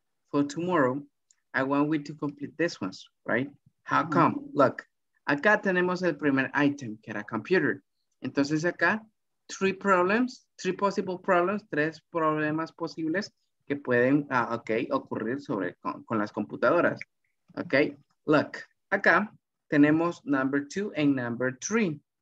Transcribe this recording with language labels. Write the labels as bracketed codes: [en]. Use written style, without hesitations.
[en] For tomorrow, I want we to complete this ones, right? How come? [es] Mm-hmm. Look, acá tenemos el primer item que era computer. Entonces acá tres problemas posibles que pueden ocurrir sobre con las computadoras. [en] Okay, look, [es] acá tenemos [en] number two and number three.